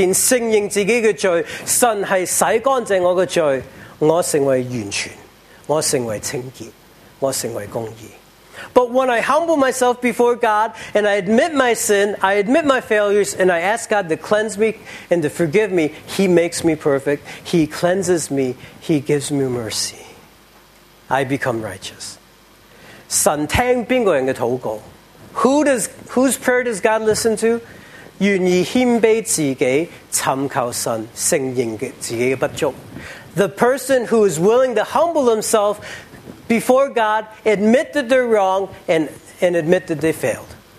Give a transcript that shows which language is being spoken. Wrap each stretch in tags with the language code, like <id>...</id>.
<zh>但当我谦卑自己神面前承认自己的罪, 神是洗干净我的罪, 我成为完全, 我成为清洁, 我成为公义。</zh> <en>But when I humble myself before God and I admit my sin, I admit my failures, and I ask God to cleanse me and to forgive me, He makes me perfect. He cleanses me. He gives me mercy. I become righteous.</en> <zh>神听哪个人的祷告?</zh> <en>Whose prayer does God listen to?</en> <zh>愿意谦卑自己,寻求神,承认自己的不足。</zh> <en>The person who is willing to humble himself before God, admit that they're wrong, and admit that they failed.</en>